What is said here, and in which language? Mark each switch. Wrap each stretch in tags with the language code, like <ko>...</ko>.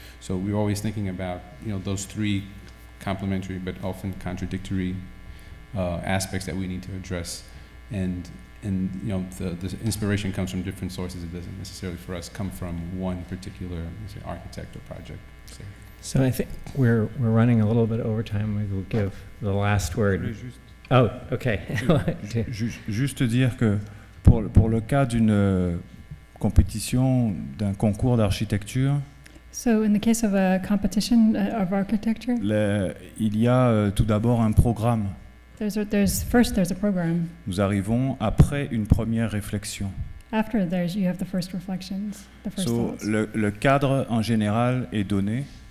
<en>So we're always thinking about, you know, those three complementary but often contradictory aspects that we need to address. And you know, the inspiration comes from different sources. It doesn't necessarily for us come from one particular, let's say, architect or project. So I think we're running a little bit over time. Maybe we'll give the last word. Oh, okay.</en> <fr>Juste dire que pour le cas d'une compétition, d'un concours d'architecture.</fr> <en>So in the case of a competition of architecture.</en> <fr>Il y a tout d'abord un programme.</fr> <en>There's a program.</en> <fr>Nous arrivons après une première réflexion.</fr> <en>After there's, you have the first reflections, the first thoughts.</en> <fr>So le cadre en général est donné.</fr>